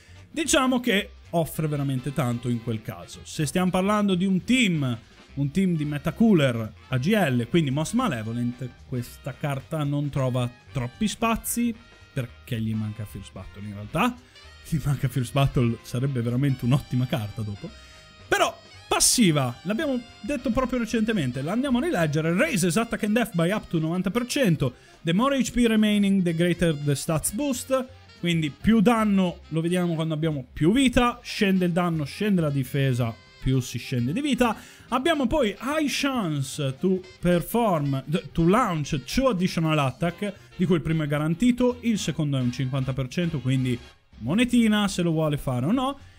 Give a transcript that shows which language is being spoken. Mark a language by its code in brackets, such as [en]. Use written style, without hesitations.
[it] Diciamo che offre veramente tanto in quel caso. Se stiamo parlando di un team di Metacooler AGL, quindi Most Malevolent, questa carta non trova troppi spazi. Perché gli manca Fierce Battle in realtà. Gli manca Fierce Battle, sarebbe veramente un'ottima carta dopo. Però, passiva, l'abbiamo detto proprio recentemente, la andiamo a rileggere. [en] Raises attack and death by up to 90%. The more HP remaining, the greater the stats boost. [it] Quindi più danno, lo vediamo quando abbiamo più vita. Scende il danno, scende la difesa, più si scende di vita. Abbiamo poi [en] High Chance to Perform, to Launch Two Additional Attack, [it] di cui il primo è garantito, il secondo è un 50%, quindi monetina se lo vuole fare o no.